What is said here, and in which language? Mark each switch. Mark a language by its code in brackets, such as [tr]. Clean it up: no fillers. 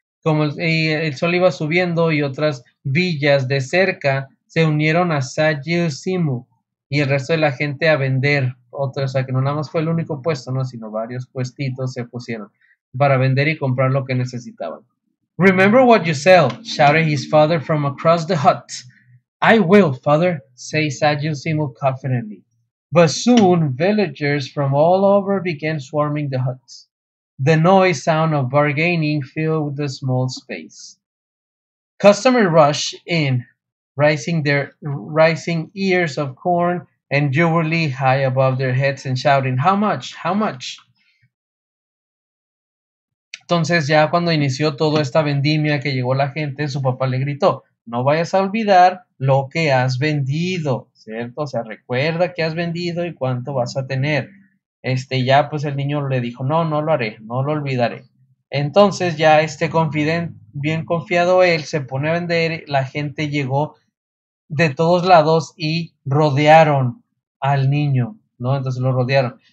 [es] Como el sol iba subiendo y otras villas de cerca se unieron a Sagittal-Simus y el resto de la gente a vender. Otro, o sea, que no nada más fue el único puesto, ¿no? Sino varios puestitos se pusieron para vender y comprar lo que necesitaban. [en] Remember what you sell, shouted his father from across the hut. I will, father, say Sagittal-Simus confidently. But soon, villagers from all over began swarming the huts. The noise sound of bargaining filled the small space. Customers rushed in, rising ears of corn and jewelry high above their heads and shouting, how much, how much? [es] Entonces ya cuando inició toda esta vendimia que llegó la gente, su papá le gritó, no vayas a olvidar lo que has vendido, ¿cierto? O sea, recuerda qué has vendido y cuánto vas a tener. Ya pues el niño le dijo, no, no lo haré, no lo olvidaré. Entonces ya bien confiado él, se pone a vender, la gente llegó de todos lados y rodearon al niño, ¿no? Entonces lo rodearon.